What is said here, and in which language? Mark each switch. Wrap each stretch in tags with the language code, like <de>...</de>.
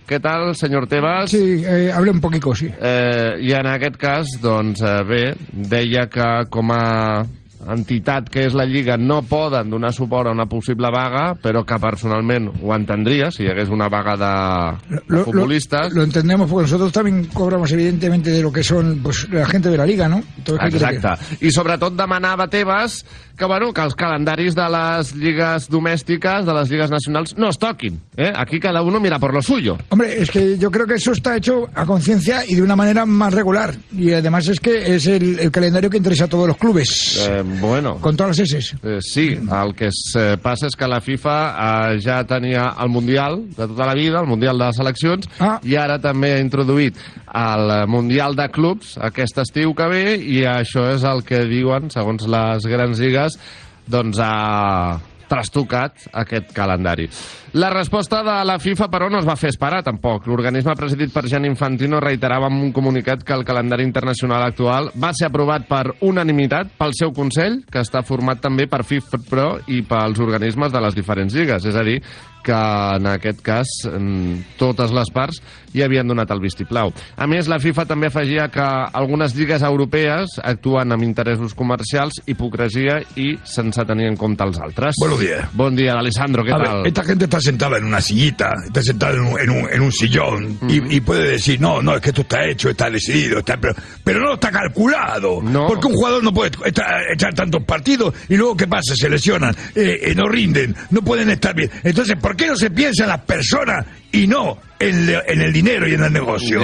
<ca>Què tal, senyor Tebas?</ca> <es>Sí, hablé un poquico, sí.</es> <ca>I en aquest cas, doncs, bé, deia que com a entitat que és la Lliga no poden donar suport a una possible vaga, però que personalment ho entendria si hi hagués una vaga de futbolistes.</ca> <es>Lo entendemos porque nosotros también cobramos evidentemente de lo que son pues, la gente de la Liga, ¿no?</es> <ca>Exacte. I sobretot demanava Tebas que, bueno, que els calendaris de les lligues domèstiques, de les lligues nacionals, no es toquin.</ca> <es>¿Eh? Aquí cada uno mira por lo suyo. Hombre, es que yo creo que eso está hecho a conciencia y de una manera más regular. Y además es que es el calendario que interesa a todos los clubes. Bueno. Con todas las S's.</es> <ca>Sí, el que passa és que la FIFA ja tenia el Mundial de tota la vida, el Mundial de les Seleccions, i ara també ha introduït el Mundial de Clubs aquest estiu que ve, i això és el que diuen, segons les grans lligues, doncs ha trastocat aquest calendari. La resposta de la FIFA, però, no es va fer esperar, tampoc. L'organisme presidit per Gianni Infantino reiterava en un comunicat que el calendari internacional actual va ser aprovat per unanimitat pel seu Consell, que està format també per FIFPro i pels organismes de les diferents lligues. És a dir, que en aquest cas totes les parts hi havien donat el vistiplau. A més, la FIFA també afegia que algunes lligues europees actuen amb interessos comercials, hipocresia i sense tenir en compte els altres.</ca> <es>Buenos días.</es> <ca>Bon dia, Alessandro, què tal?</ca> <es>Esta gente está sentada en una sillita, está sentada en un sillón, y puede decir, no, es que esto está hecho, está decidido, está, pero no está calculado. No. Porque un jugador no puede echar tantos partidos y luego, ¿qué pasa? Se lesionan, no rinden, no pueden estar bien. Entonces, ¿por qué no se piensa en las personas y no en el dinero y en el negocio?</es>